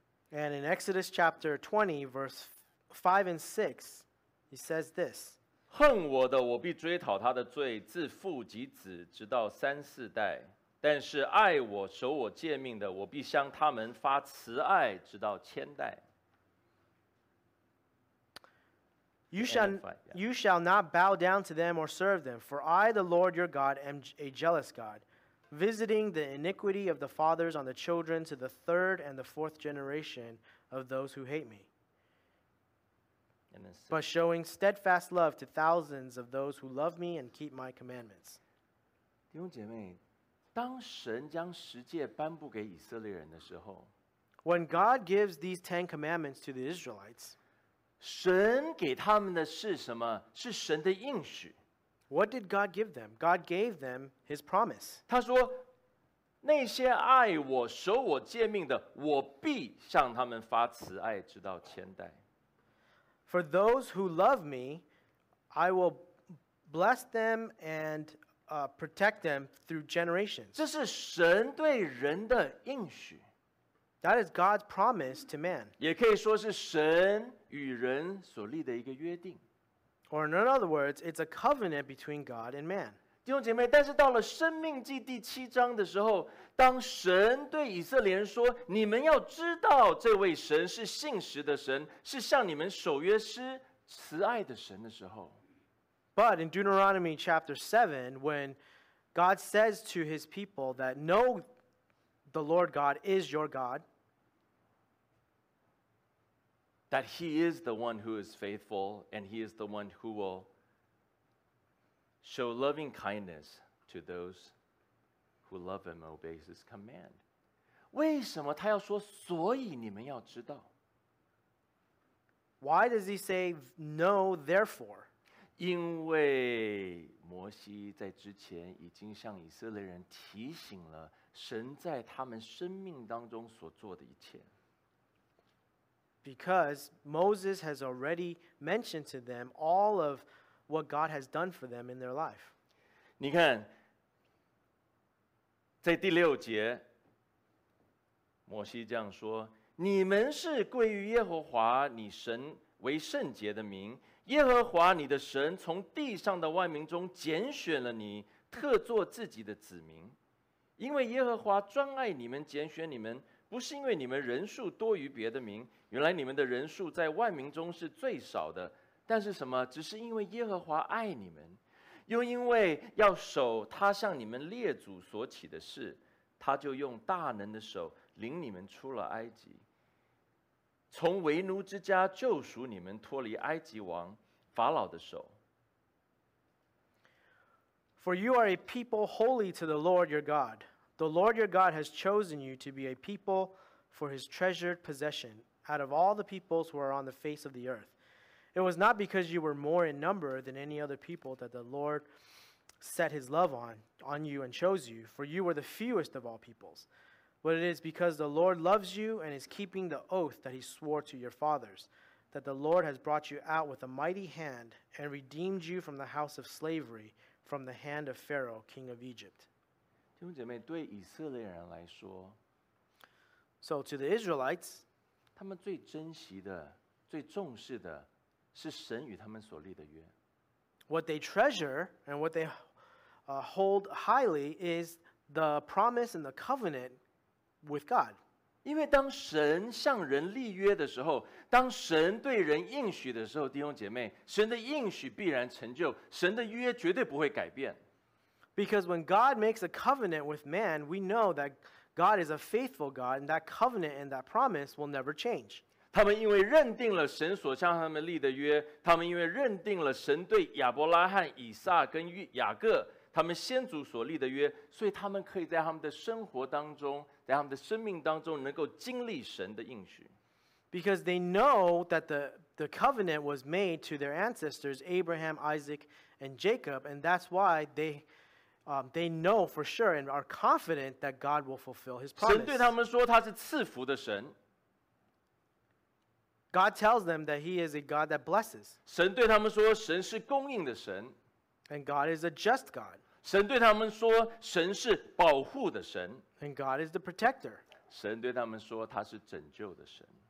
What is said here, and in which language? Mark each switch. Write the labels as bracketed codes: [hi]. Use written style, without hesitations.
[en] And in Exodus chapter 20, verse 5 and 6, he says this. [zh] 恨我的，我必追讨他的罪，自父及子，直到三四代。但是爱我、守我诫命的，我必向他们发慈爱，直到千代。 [en] You shall not bow down to them or serve them, for I, the Lord your God, am a jealous God, visiting the iniquity of the fathers on the children to the third and the fourth generation of those who hate me, but showing steadfast love to thousands of those who love me and keep my commandments. [zh] 弟兄姐妹，当神将十诫颁布给以色列人的时候， [en] When God gives these Ten Commandments to the Israelites, [zh] 神给他们的是什么？是神的应许。 [en] What did God give them? God gave them His promise. [zh] 他说，那些爱我、守我诫命的，我必向他们发慈爱，直到千代。 [en] For those who love me, I will bless them and protect them through generations. [zh] 这是神对人的应许。 [en] That is God's promise to man. [zh] 也可以说是神与人所立的一个约定。 [en] Or in other words, it's a covenant between God and man. [zh] 弟兄姐妹，但是到了生命记第七章的时候，当神对以色列人说，你们要知道这位神是信实的神，是向你们守约施慈爱的神的时候。 [en] But in Deuteronomy chapter 7, when God says to his people that know the Lord God is your God, that he is the one who is faithful and he is the one who will show loving kindness to those who love him, obey his command. [zh] 为什么他要说所以你们要知道？ [en] Why does he say no, therefore? [zh] 因为摩西在之前已经向以色列人提醒了神在他们生命当中所做的一切。 [en] Because Moses has already mentioned to them all of what God has done for them in their life. [zh] 你看，在第六节，摩西这样说：你们是归于耶和华你神为圣洁的民，耶和华你的神从地上的万民中拣选了你，特作自己的子民，因为耶和华专爱你们，拣选你们，不是因为你们人数多于别的民，原来你们的人数在万民中是最少的，但是什么？只是因为耶和华爱你们，又因为要守他向你们列祖所起的誓，他就用大能的手领你们出了埃及，从为奴之家救赎你们，脱离埃及王法老的手。 [en] For you are a people holy to the Lord your God. The Lord your God has chosen you to be a people for his treasured possession out of all the peoples who are on the face of the earth. It was not because you were more in number than any other people that the Lord set his love on you and chose you, for you were the fewest of all peoples. But it is because the Lord loves you and is keeping the oath that he swore to your fathers, that the Lord has brought you out with a mighty hand and redeemed you from the house of slavery, from the hand of Pharaoh, king of Egypt. [zh] 弟兄姐妹，对以色列人来说， [en] So to the Israelites, [zh] 他们最珍惜的，最重视的，是神与他们所立的约。 [en] What they treasure and what they hold highly is the promise and the covenant with God. [zh] 因为当神向人立约的时候，当神对人应许的时候，弟兄姐妹，神的应许必然成就，神的约绝对不会改变。 [en] Because when God makes a covenant with man, we know that God is a faithful God, and that covenant and that promise will never change. [zh] 他们因为认定了神所向他们立的约，他们因为认定了神对亚伯拉罕、以撒跟雅各他们先祖所立的约，所以他们可以在他们的生活当中，在他们的生命当中能够经历神的应许。 [en] Because they know that the covenant was made to their ancestors Abraham, Isaac and Jacob, and that's why they know for sure and are confident that God will fulfill his promise. [zh] 神对他们说他是赐福的神。 [en] God tells them that he is a God that blesses. [zh] 神对他们说神是供应的神。 [en] And God is a just God. [zh] 神对他们说神是保护的神。 [en] And God is the protector. [zh] 神对他们说他是拯救的神。